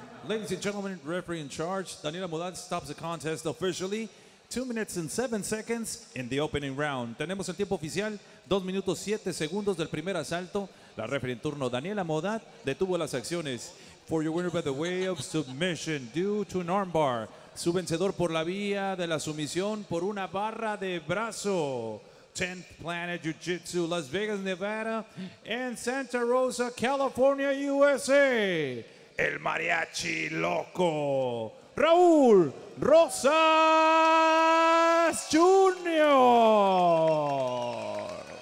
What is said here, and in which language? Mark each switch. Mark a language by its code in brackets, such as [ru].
[en] Ladies and gentlemen, referee in charge, Daniela Mudad stops the contest officially. 2 minutes and 7 seconds in the opening round. [es] Tenemos el tiempo oficial, [en] 2 minutes 7 seconds [es] del primer asalto. La referee en turno, Daniela Modat, detuvo las acciones. [en] For your winner by the way of submission due to an armbar. [es] Su vencedor por la vía de la sumisión por una barra de brazo. [en] 10th Planet Jiu-Jitsu, Las Vegas, Nevada, and Santa Rosa, California, USA. [es] El mariachi loco. Raúl Rosas Jr.